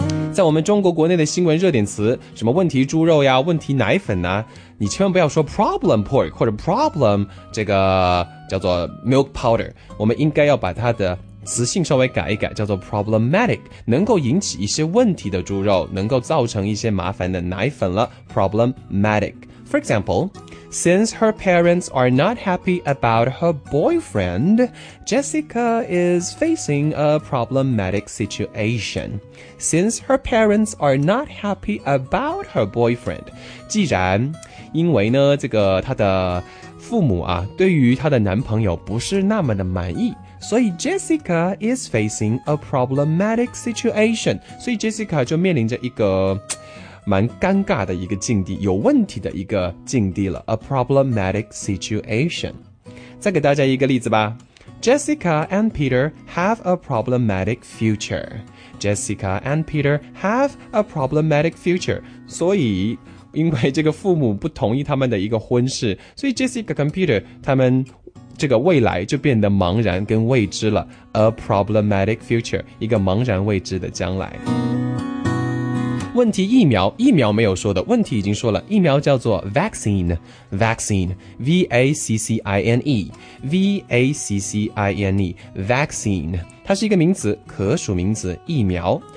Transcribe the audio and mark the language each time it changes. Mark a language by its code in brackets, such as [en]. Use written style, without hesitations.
[zh] 在我们中国国内的新闻热点词，什么问题猪肉呀，问题奶粉啊，你千万不要说 problem pork 或者 problem 这个叫做 milk powder， 我们应该要把它的词性稍微改一改，叫做 problematic， 能够引起一些问题的猪肉，能够造成一些麻烦的奶粉了， problematic。 [en] For example， since her parents are not happy about her boyfriend， Jessica is facing a problematic situation。 Since her parents are not happy about her boyfriend， [zh] 既然因为呢，这个她的父母啊，对于她的男朋友不是那么的满意，所以 [en] Jessica is facing a problematic situation， [zh] 所以 Jessica 就面临着一个蛮尴尬的一个境地，有问题的一个境地了， [en] a problematic situation。 [zh] 再给大家一个例子吧， [en] Jessica and Peter have a problematic future， Jessica and Peter have a problematic future。 [zh] 所以因为这个父母不同意他们的一个婚事，所以 Jessica 跟 Peter 他们这个未来就变得茫然跟未知了， [en] A problematic future， [zh] 一个茫然未知的将来。问题疫苗，疫苗没有说的，问题已经说了，疫苗叫做 vaccine， V-A-C-C-I-N-E， V-A-C-C-I-N-E， vaccine， 它是一个名词，可数名词，疫苗。